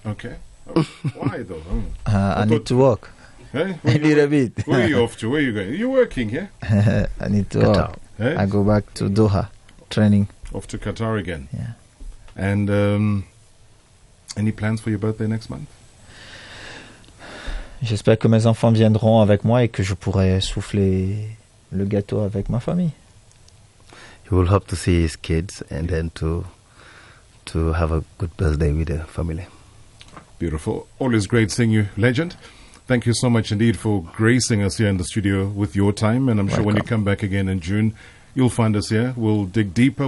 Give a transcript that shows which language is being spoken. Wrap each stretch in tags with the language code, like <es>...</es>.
<en>Okay. Why though? I need to work. Hey? I need a bit. Where are you off to? Where are you going? You're working here. Yeah? I need to work. Hey? I go back to Doha, training. Off to Qatar again. Yeah. And any plans for your birthday next month?</en> <fr>J'espère que mes enfants viendront avec moi et que je pourrai souffler le gâteau avec ma famille.</fr> <en>He will hope to see his kids and then to have a good birthday with the family. Beautiful. Always great seeing you, legend. Thank you so much indeed for gracing us here in the studio with your time. And I'm sure when you come back again in June, you'll find us here. We'll dig deeper.</en>